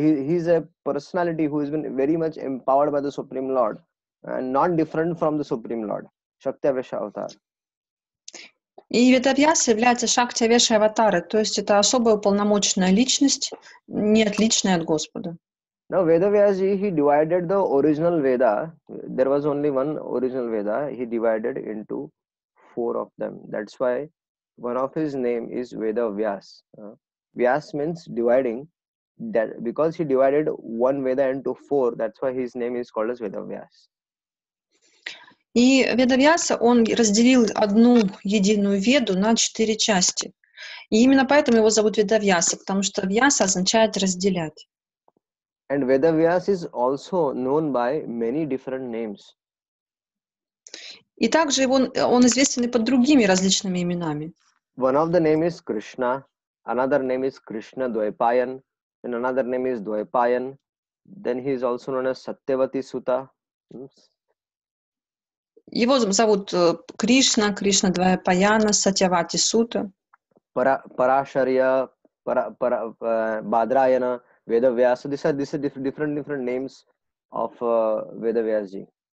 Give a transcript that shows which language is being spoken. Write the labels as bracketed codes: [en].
[en] He's a personality who has been very much empowered by the Supreme Lord, and not different from the Supreme Lord. [sa] Shaktyavesha avatar. [ru] И Vedavyasa является [sa] Shaktyavesha avatar. [ru] То есть это особая уполномоченная личность, не отличная от Господа. [en] Now Vedavyasji, he divided the original Veda. There was only one original Veda. He divided into four of them. That's why one of his name is Vedavyas. Vyas means dividing. That because he divided one Veda into four, that's why his name is called as Vedavyas. [ru] И Vedavyasa, он разделил одну единую Веду на четыре части. И именно поэтому его зовут Vedavyasa, потому что Vyasa означает разделять. [en] And Vedavyas is also known by many different names. [ru] И также он известен и под другими различными именами. [en] One of the name is Krishna, another name is Krishna Dwaipayan, and another name is Dwaipayan. Then he is also known as Satyavati Suta. [ru] Его зовут Кришна, Кришна Двайпаяна, Сатьявати Сута. Парашарья, Бадраяна. Vedavyas. [en] So these are different names of Vedavyasji.